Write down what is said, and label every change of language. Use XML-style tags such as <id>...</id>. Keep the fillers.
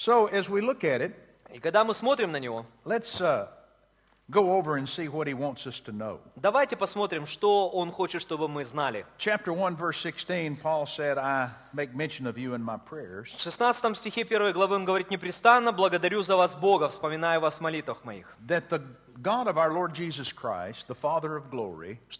<ru>и когда мы смотрим на него,</ru> <en>go over and see what he wants us to know.</en> <ru>Давайте посмотрим, что он хочет, чтобы мы знали.</ru> <en>Chapter 1, verse 16, Paul said, I make mention of you in my prayers.</en> <ru>В шестнадцатом стихе первой главы он говорит, непрестанно благодарю за вас Бога, вспоминаю вас в молитвах моих.</ru> <en>That the God of our Lord Jesus Christ, the Father of glory,</en>